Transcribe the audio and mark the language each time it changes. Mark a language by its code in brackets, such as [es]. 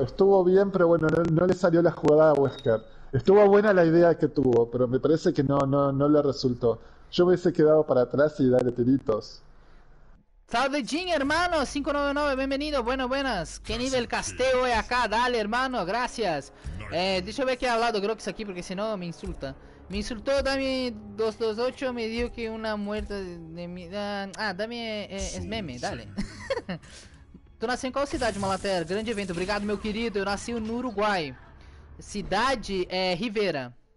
[es] Estuvo bien, pero bueno, no le salió la jugada a Wesker. Estuvo buena la idea que tuvo, pero me parece que no le resultó. Yo hubiese quedado para atrás y darle tiritos. Salve Jim, hermano, 599, bienvenido, buenas. ¿Qué nivel casteo es acá? Dale, hermano, gracias. [pt] Deixa eu ver aqui ao lado Grox aqui, porque senão me insulta. [es] Me insultó Dami 228, me dijo que una muerte de mi... Dami es meme, dale. [pt] Tu nasceu em qual cidade, Malater? Grande evento, obrigado, meu querido, eu nasci no Uruguai. Cidade é Rivera.